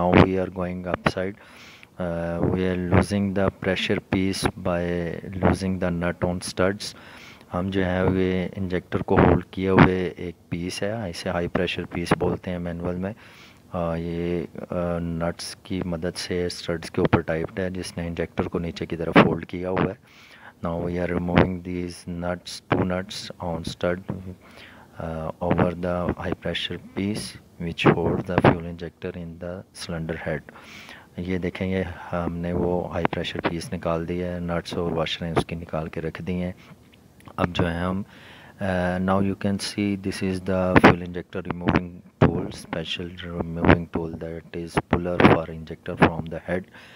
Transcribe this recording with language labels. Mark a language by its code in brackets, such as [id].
[en] Now we are going upside, we are losing the pressure piece by losing the nut on studs. [ur] ہم جو ہے وہ injector کو hold کیے ہوئے ایک پیس ہے، اسے ہائی پریشر پیس بولتے ہیں مینول میں. یہ نٹس کی مدد سے سٹڈس کے اوپر ٹائپڈ ہے، جس نے انجیکٹر کو نیچے کی طرف ہولڈ کیا ہوا ہے. [en] Now we are removing these nuts, two nuts on stud over the high pressure piece which hold the fuel injector in the cylinder head. [ur] یہ دیکھیں گے ہم نے وہ ہائی پریشر پیس نکال دیا ہے، نٹس اور واشر ہیں اس کی نکال کے رکھ دی ہیں. اب جو ہے ہم [en] Now you can see this is the fuel injector removing tool, special removing tool that is puller for injector from the head.